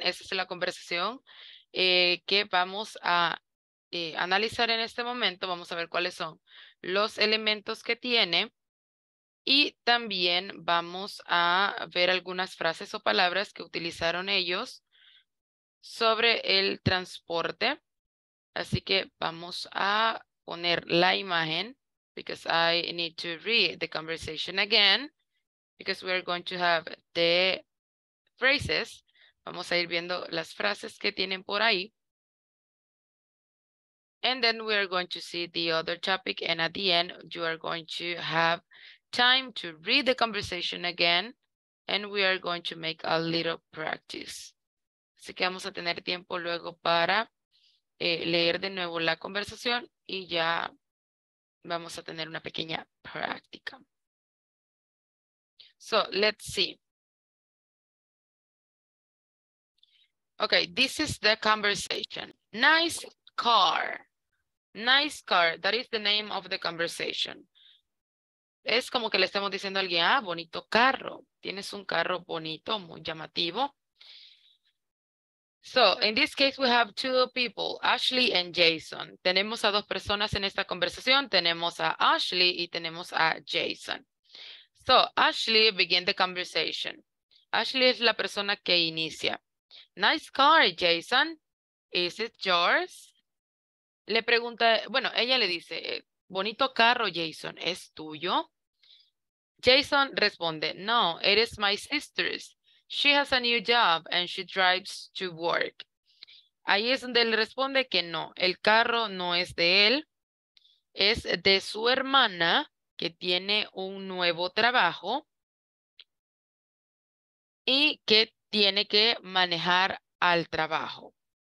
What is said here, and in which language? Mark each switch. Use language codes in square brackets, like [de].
[es] Esa es la conversación que vamos a analizar en este momento. Vamos a ver cuáles son los elementos que tiene. Y también vamos a ver algunas frases o palabras que utilizaron ellos sobre el transporte. Así que vamos a poner la imagen [en] because I need to read the conversation again because we are going to have the phrases. [es] Vamos a ir viendo las frases que tienen por ahí. [en] And then we are going to see the other topic and at the end you are going to have time to read the conversation again and we are going to make a little practice. [es] Así que vamos a tener tiempo luego para leer de nuevo la conversación y ya vamos a tener una pequeña práctica. [en] So, let's see. Okay, this is the conversation. Nice car. Nice car, that is the name of the conversation. [es] Es como que le estamos diciendo a alguien, ah, bonito carro. Tienes un carro bonito, muy llamativo. [en] So, in this case, we have two people, Ashley and Jason. [es] Tenemos a dos personas en esta conversación. Tenemos a Ashley y tenemos a Jason. [en] So, Ashley begin the conversation. [es] Ashley es la persona que inicia. [en] Nice car, Jason. Is it yours? [es] Le pregunta, bueno, ella le dice, bonito carro, Jason, ¿es tuyo? Jason responde, [en] no, it is my sister's. She has a new job and she drives to work. [es] Ahí es donde él responde que no, el carro no es de él. Es de su hermana que tiene un nuevo trabajo y que tiene que manejar al trabajo.